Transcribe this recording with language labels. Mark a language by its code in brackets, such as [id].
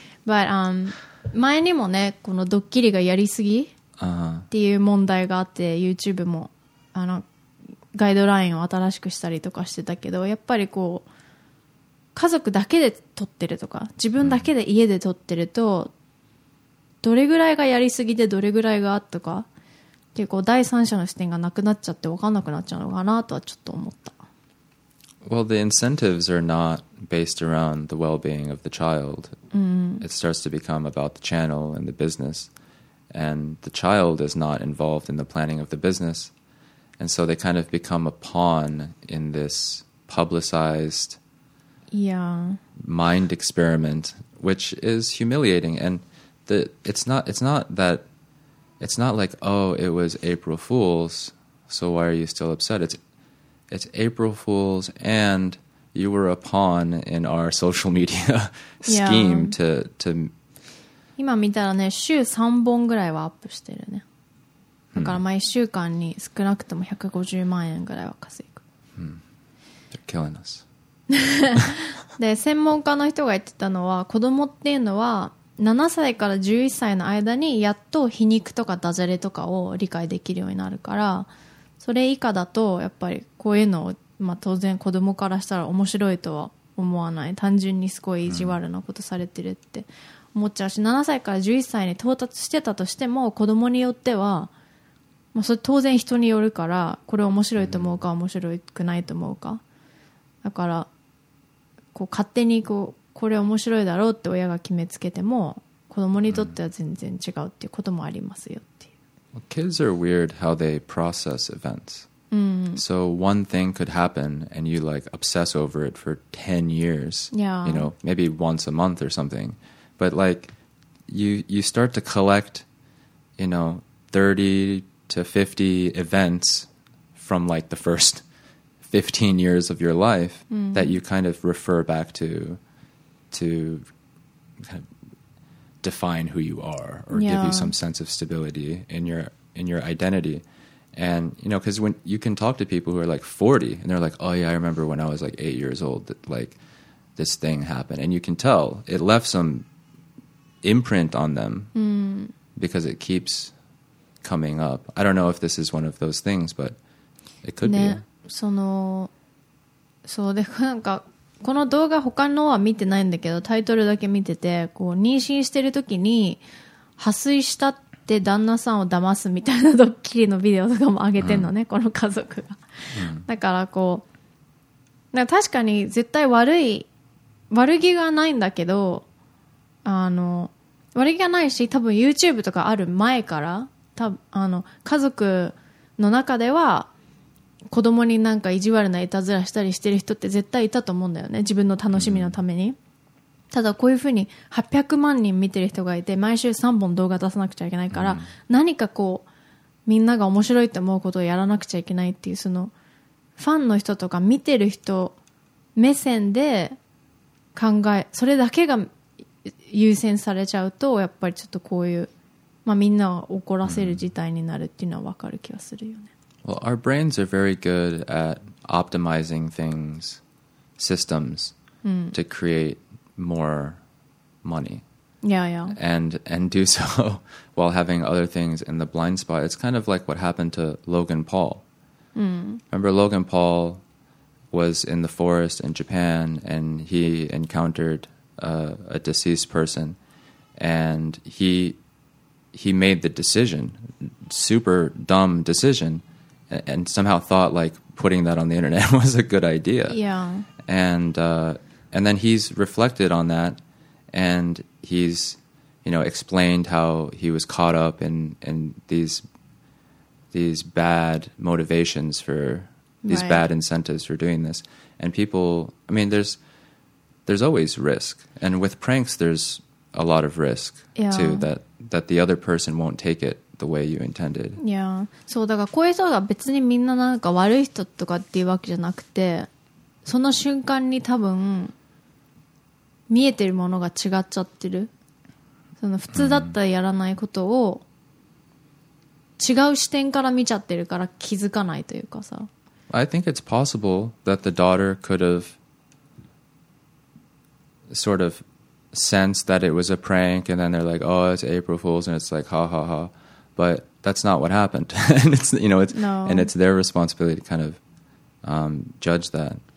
[en] But [ja] 前にもね、このドッキリがやりすぎっていう問題があって、 YouTube もあのガイドラインを新しくしたりとかしてたけど、やっぱりこう家族だけで撮ってるとか自分だけで家で撮ってると、うん、どれぐらいがやりすぎでどれぐらいがとか、結構第三者の視点がなくなっちゃって分かんなくなっちゃうのかなとはちょっと思った。 [en] Well, the incentives are not based around the well-being of the child、 [ja] うん、 [en] It starts to become about the channel and the business, and the child is not involved in the planning of the business, and so they kind of become a pawn in this publicized、 yeah. mind experiment, which is humiliating. And it's not like, oh, it was April Fool's, so why are you still upset? It's April Fool's, and you were a pawn in our social media scheme、yeah. to [ja] 今見たらね、週3本ぐらいはアップしてるね。だから毎週間に少なくとも150万円ぐらいは稼ぐ。 [en] Hmm. They're killing us. [ja] で、専門家の人が言ってたのは、子供っていうのは7歳から11歳の間にやっと皮肉とかダジャレとかを理解できるようになるから、それ以下だとやっぱりこういうのを、まあ、当然子供からしたら面白いとは思わない、単純にすごい意地悪なことされてるって思っちゃうし、7歳から11歳に到達してたとしても子供によっては、まあ、それ当然人によるから、これ面白いと思うか面白くないと思うか、だからこう勝手にこうこれ面白いだろうって親が決めつけても子供にとっては全然違うっていうこともありますよっていう。 [en] Well, kids are weird how they process events.、 [ja] うん、 [en] so one thing could happen and you like obsess over it for 10 years. Yeah. You know, maybe once a month or something. But like you start to collect, you know, 30 to 50 events from like the first 15 years of your life、 [ja] うん、 [en] that you kind of refer back to. To kind of define who you are or、 yeah. give you some sense of stability in your identity. And, you know, because when you can talk to people who are like 40 and they're like, oh, yeah, I remember when I was like 8 years old that like this thing happened. And you can tell it left some imprint on them、 mm. because it keeps coming up. I don't know if this is one of those things, but it could、 [ja] ね、 [en] be. [ja] その、そうで、なんか、この動画他のは見てないんだけど、タイトルだけ見てて、こう妊娠してる時に破水したって旦那さんを騙すみたいなドッキリのビデオとかも上げてんのね、うん、この家族が、うん、だからこう、だから確かに絶対悪気がないんだけど、あの悪気がないし、多分 YouTube とかある前から多分あの家族の中では子供になんか意地悪ないたずらしたりしてる人って絶対いたと思うんだよね、自分の楽しみのために、うん、ただこういうふうに800万人見てる人がいて毎週3本動画出さなくちゃいけないから、うん、何かこうみんなが面白いと思うことをやらなくちゃいけないっていう、そのファンの人とか見てる人目線で考え、それだけが優先されちゃうとやっぱりちょっとこういう、まあ、みんなを怒らせる事態になるっていうのは分かる気がするよね。 [en] Well, our brains are very good at optimizing things, systems,、 mm. to create more money. Yeah, yeah. And do so while having other things in the blind spot. It's kind of like what happened to Logan Paul. Mm. Remember Logan Paul was in the forest in Japan and he encountered a deceased person. And he made the decision, super dumb decision, and somehow thought like putting that on the internet was a good idea. Yeah. And then he's reflected on that and he's, you know, explained how he was caught up in these bad motivations for these right. bad incentives for doing this. And people, I mean, there's always risk. And with pranks, there's a lot of risk yeah. too, that the other person won't take it the way you intended. Yeah. So, [ja] だからこういう人が別にみんななんか悪い人とかっていうわけじゃなくて、その瞬間に多分見えてるものが違っちゃってる。その普通だったらやらないことを違う視点から見ちゃってるから気づかないというかさ。 [en] I think it's possible that the daughter could have sort of sensed that it was a prank and then they're like, oh, it's April Fool's and it's like, ha ha ha. But that's not what happened. And it's, you know, it's, no. and it's their responsibility to kind of judge that.